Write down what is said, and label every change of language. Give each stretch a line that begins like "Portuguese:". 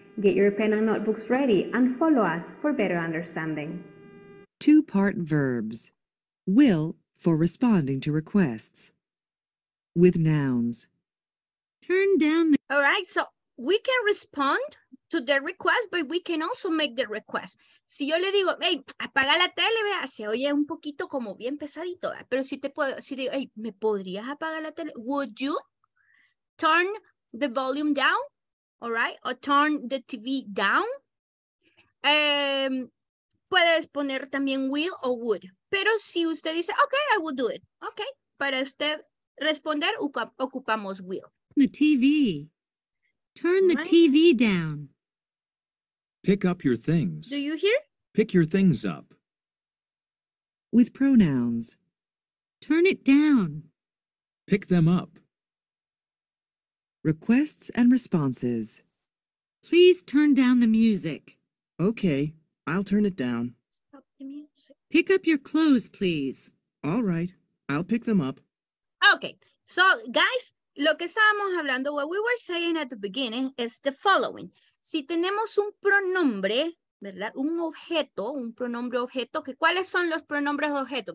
English: Get your pen and notebooks ready and follow us for better understanding. Two-part verbs. Will for responding to requests. With nouns. Turn down the... All right, so we can respond to the request, but we can also make the request.
Spanish: Si yo le digo, hey, apaga la tele, vea, se oye un poquito como bien pesadito, ¿verdad? Pero si te puedo, si digo, hey, ¿me podrías apagar la tele?
English: Would you turn the volume down, all right? Or turn the TV down?
Spanish: Puedes poner también
English: will o would.
Spanish: Pero si usted dice, okay,
English: I will do it.
Spanish: Okay, para usted responder, ocupamos will.
English: The TV. Turn the TV down. Pick up your things. Do you hear? Pick your things up. With pronouns. Turn it down. Pick them up. Requests and responses. Please turn down the music. Okay, I'll turn it down. Stop the music. Pick up your clothes, please. All right, I'll pick them up. Okay, so guys,
Spanish: lo que estábamos hablando,
English: what we were saying at the beginning, is the following.
Spanish: Si tenemos un pronombre, ¿verdad? Un pronombre objeto, que ¿cuáles son los pronombres objeto?